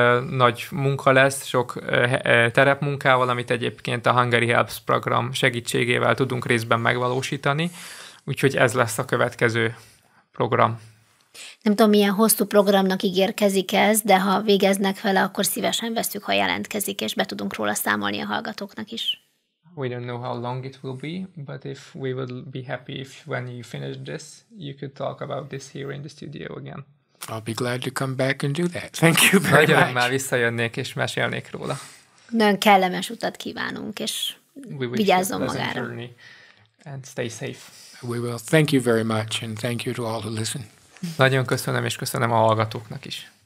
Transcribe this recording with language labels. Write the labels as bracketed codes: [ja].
[hu] Nagy munka lesz, sok terepmunkával, amit egyébként a Hungary Helps program segítségével tudunk részben megvalósítani, úgyhogy ez lesz a következő program. Nem tudom, milyen hosszú programnak ígérkezik ez, de ha végeznek vele, akkor szívesen veszük, ha jelentkezik, és be tudunk róla számolni a hallgatóknak is. [en] We don't know how long it will be, but if we would be happy if when you finish this, you could talk about this here in the studio again. I'll be glad to come back and do that. Thank you very [hu] Nagyon [en] much. [hu] Nagyon már visszajönnék, és mesélnék róla. Nagyon kellemes utat kívánunk, és vigyázzon magára. [en] And stay safe. We will. Thank you very much, and thank you to all who listen. [hu] Nagyon köszönöm, és köszönöm a hallgatóknak is.